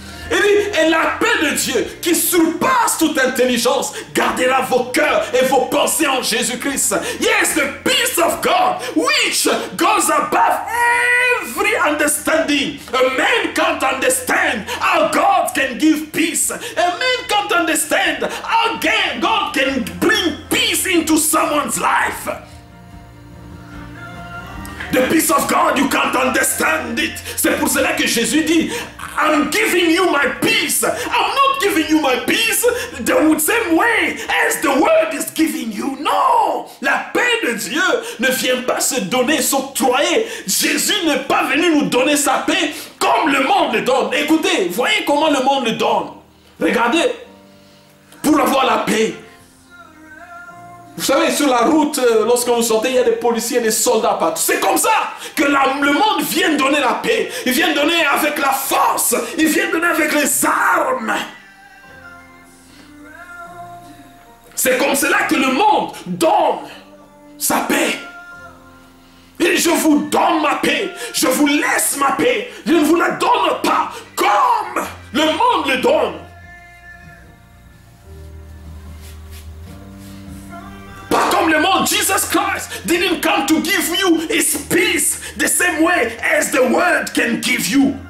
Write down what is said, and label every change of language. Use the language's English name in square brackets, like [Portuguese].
[French] Il dit, et la paix de Dieu, qui surpasse toute intelligence, gardera vos cœurs et vos pensées en Jésus-Christ. [English] Yes, the peace of God, which goes above every understanding. A man can't understand how God can give peace. A man can't understand how God can bring peace into someone's life. The peace of God, you can't understand it. C'est pour cela que Jésus dit, I'm giving you my peace. I'm not giving you my peace the same way as the world is giving you. No! [French] La paix de Dieu ne vient pas se donner, s'octroyer. Jésus n'est pas venu nous donner sa paix comme le monde le donne. Écoutez, voyez comment le monde le donne. Regardez. Pour avoir la paix. Vous savez, sur la route, lorsque vous sortez, il y a des policiers, des soldats partout. C'est comme ça que le monde vient donner la paix. Il vient donner avec la force. Il vient donner avec les armes. C'est comme cela que le monde donne sa paix. Et je vous donne ma paix. Je vous laisse ma paix. Je ne vous la donne pas comme le monde le donne. [English] Comme le monde, Jesus Christ didn't come to give you his peace the same way as the world can give you.